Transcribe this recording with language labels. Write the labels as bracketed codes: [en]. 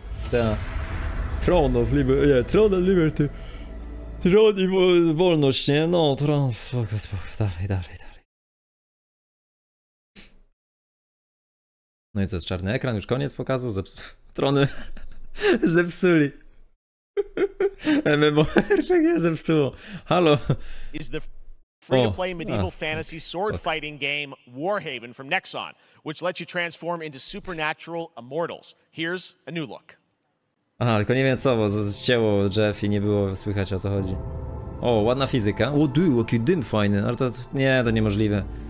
[pl] Da. Throne of Liberty, nie, Throne of Liberty. Tron i wolność, nie? No, tron, spoko, spoko, dalej, dalej, dalej. No i co, jest czarny ekran, już koniec pokazu, trony zepsuli. MMORPG zepsuło. Halo. [en] Is the free-to-play medieval fantasy sword-fighting game Warhaven from Nexon, which lets you transform into supernatural immortals. Here's a new look. [pl] Aha, tylko nie wiem co, bo zcięło Jeff i nie było słychać, o co chodzi. O, ładna fizyka. O, dude, jaki dym fajny. Ale to nie, to niemożliwe.